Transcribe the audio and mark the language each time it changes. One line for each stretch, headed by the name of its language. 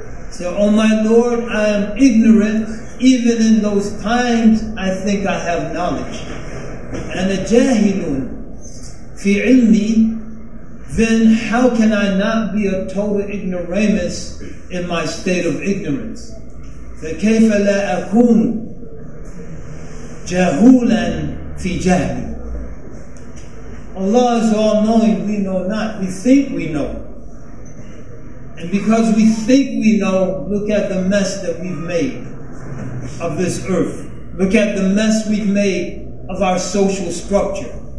English: So, O my Lord, I am ignorant, even in those times I think I have knowledge.
Arabic: أنا جاهل في علمي,
English: then how can I not be a total ignoramus in my state of ignorance?
Arabic: فكيف لا أكون جاهولا في جهلي.
English: Allah is all knowing, we know not, we think we know. And because we think we know, look at the mess that we've made of this earth. Look at the mess we've made of our social structure.